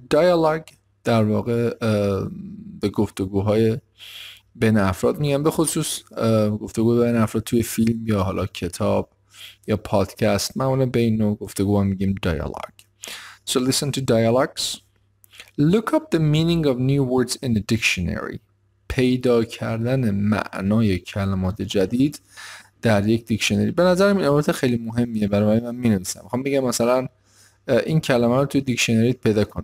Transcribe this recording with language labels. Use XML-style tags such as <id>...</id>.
<fa>دیالوگ در واقع به گفتگوهای بین افراد میگن، به خصوص گفتگو بین افراد توی فیلم یا حالا کتاب یا پادکست. معمولا بین نوع گفتگو هم میگیم دیالوگ.</fa> <en>So listen to dialogues. Look up the meaning of new words in the dictionary.</en> <fa>پیدا کردن معنای کلمات جدید در یک دیکشنری. به نظرم این عبارت خیلی مهمیه برای من. می‌نویسم، خب میگم مثلا این کلمه رو توی دیکشنریت پیدا کن.</fa>